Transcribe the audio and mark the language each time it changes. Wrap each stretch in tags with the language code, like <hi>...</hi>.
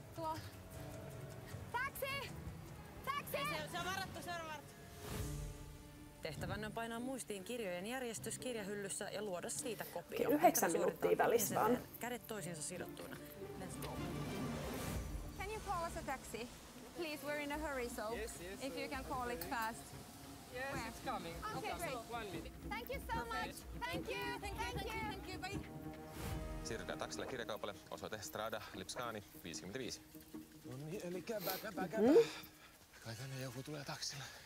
<fi>Tuo. Taxi! Taxi! Se on varattu. Tehtävänne on painaa muistiin kirjojen järjestys kirjahyllyssä ja luoda siitä kopio. Okei, 9 minuuttia välissä vaan. Kädet toisiinsa sidottuina.</fi> <en>Let's go. Can you call us a taxi? Please, we're in a hurry, so yes, if you can call it fast. Yes, where? It's coming. Okay, great. Thank you so much. Thank you. Bye.</en> <fi>Siirrytään taksilla kirjakaupalle. Osoite Strada Lipskani 55. No niin, eli käpä. Kai tänne joku tulee taksilla.</fi>